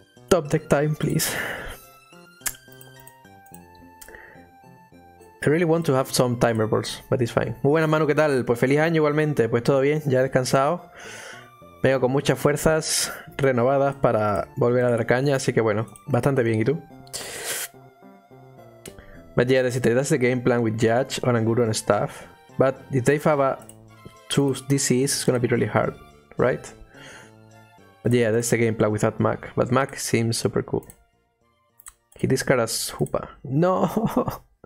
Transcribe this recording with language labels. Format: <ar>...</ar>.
<en>Top deck time, please. I really want to have some timer balls, but it's fine.</en> <es>Muy buenas, Manu, ¿qué tal? Pues feliz año igualmente. Pues todo bien, ya he descansado. Vengo con muchas fuerzas renovadas para volver a dar caña, así que bueno, bastante bien. ¿Y tú?</es> <en>But yeah, that's the game plan with Judge, Oranguru and stuff. But if they have a 2 DCs, it's gonna be really hard, right? But yeah, that's the game plan without Mac. But Mac seems super cool. He discard as Hoopa. No!</en>